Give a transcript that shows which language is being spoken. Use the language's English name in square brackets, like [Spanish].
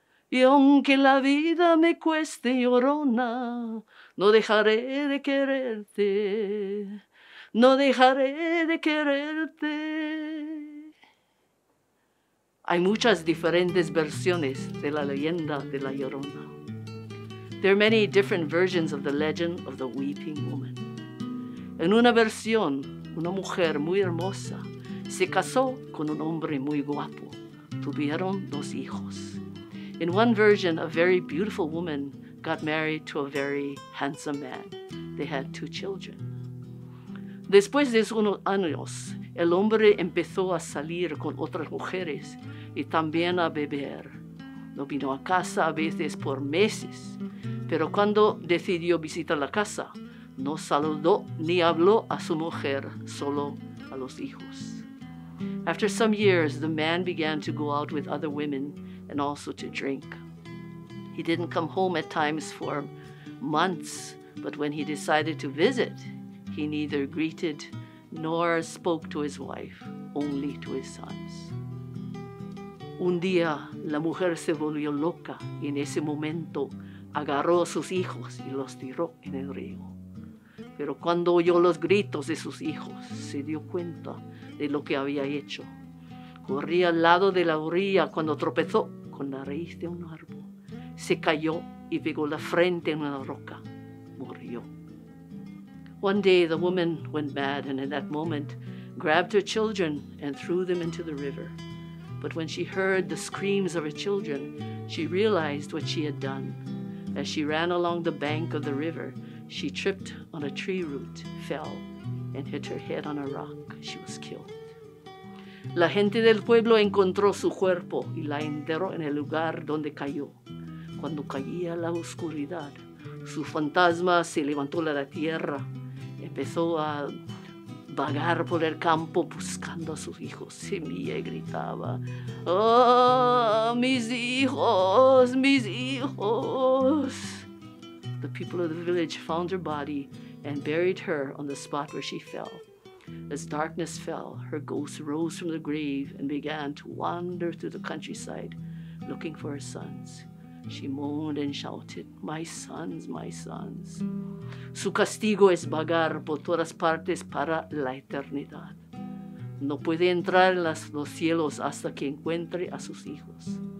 [Spanish] Y aunque la vida me cueste, llorona, no dejaré de quererte, no dejaré de quererte. Hay muchas diferentes versiones de la leyenda de la llorona. [English] There are many different versions of the legend of the weeping woman. [Spanish] En una versión, una mujer muy hermosa se casó con un hombre muy guapo. Tuvieron 2 hijos. [English] In one version, a very beautiful woman got married to a very handsome man. They had 2 children. [Spanish] Después de unos años, el hombre empezó a salir con otras mujeres y también a beber. No vino a casa a veces por meses, pero cuando decidió visitar la casa, no saludó ni habló a su mujer, solo a los hijos. [English] After some years, the man began to go out with other women and also to drink. He didn't come home at times for months, but when he decided to visit, he neither greeted nor spoke to his wife, only to his sons. [Spanish] Un día, la mujer se volvió loca y en ese momento agarró a sus hijos y los tiró en el río. Pero cuando oyó los gritos de sus hijos, se dio cuenta de lo que había hecho. Corría al lado de la orilla cuando tropezó con la raíz de un árbol. Se cayó y pegó la frente en una roca. Murió. [English] One day the woman went mad and in that moment grabbed her children and threw them into the river. But when she heard the screams of her children, she realized what she had done. As she ran along the bank of the river, she tripped on a tree root, fell, and hit her head on a rock. She was killed. [Spanish] La gente del pueblo encontró su cuerpo y la enterró en el lugar donde cayó. Cuando caía la oscuridad, su fantasma se levantó de la tierra y empezó a vagar por el campo buscando a sus hijos. Semilla y gritaba, ¡oh, mis hijos, mis hijos! [English] The people of the village found her body and buried her on the spot where she fell. As darkness fell, her ghost rose from the grave and began to wander through the countryside, looking for her sons. She moaned and shouted, "My sons, my sons." [Spanish] Su castigo es vagar por todas partes para la eternidad. No puede entrar en los cielos hasta que encuentre a sus hijos.